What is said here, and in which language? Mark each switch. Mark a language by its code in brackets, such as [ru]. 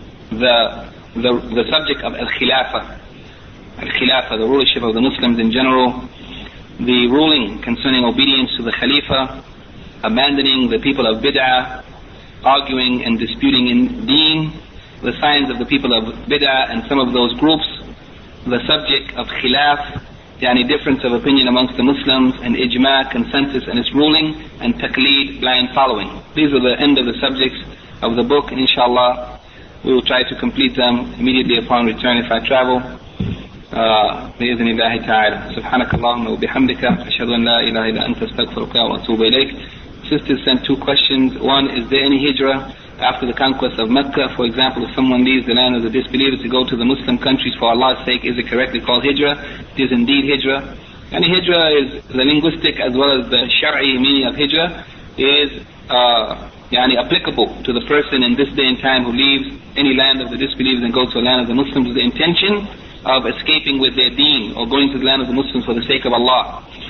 [en] the subject of al-Khilafah, the rulership of the Muslims in general, the ruling concerning obedience to the Khalifa, abandoning the people of Bid'ah, arguing and disputing in deen, the signs of the people of Bid'ah and some of those groups, the subject of Khilaf, any difference of opinion amongst the Muslims, and Ijma, consensus and its ruling, and Taqleed, blind following. These are the end of the subjects of the book, and inshallah we will try to complete them immediately upon return if I travel. [ar] بإذن الله تعالى سبحانك اللهم وبحمدك أشهد أن لا إله إلا أنت أستغفرك وأتوب إليك. [en] Sisters sent two questions. One, is there any hijra after the conquest of Mecca? For example, if someone leaves the land of the disbelievers to go to the Muslim countries for Allah's sake, is it correctly called hijra? It is indeed hijra. And hijra is the linguistic as well as the shar'i meaning of hijra is applicable to the person in this day and time who leaves any land of the disbelievers and goes to the land of the Muslims with the intention of escaping with their deen or going to the land of the Muslims for the sake of Allah.